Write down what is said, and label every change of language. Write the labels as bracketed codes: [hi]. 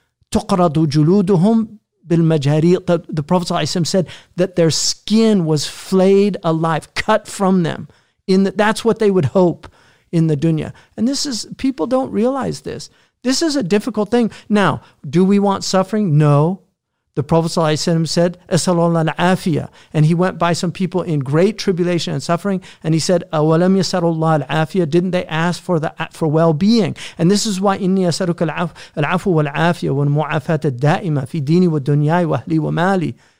[ar] تُقْرَضُ جُلُودُهُمْ بِالْمَجْهَرِيقِ. [en] The Prophet ﷺ said that their skin was flayed alive, cut from them. That's what they would hope in the dunya. And this is, people don't realize this. This is a difficult thing. Now, do we want suffering? No. The Prophet ﷺ said, [ar] أَسَلُوا اللَّهَ الْعَافِيَةَ. [en] And he went by some people in great tribulation and suffering, and he said, [ar] أَوَلَمْ يَسَلُوا اللَّهَ الْعَافِيَةَ. [en] Didn't they ask for well-being? And this is why, [ar] إِنِّي أَسَلُكَ الْعَفُ وَالْعَافِيَةَ وَالْمُعَافَةَ الدَّائِمَةَ فِي دِينِي وَالدُّنْيَايِ وَأَهْلِي وَمَالِي.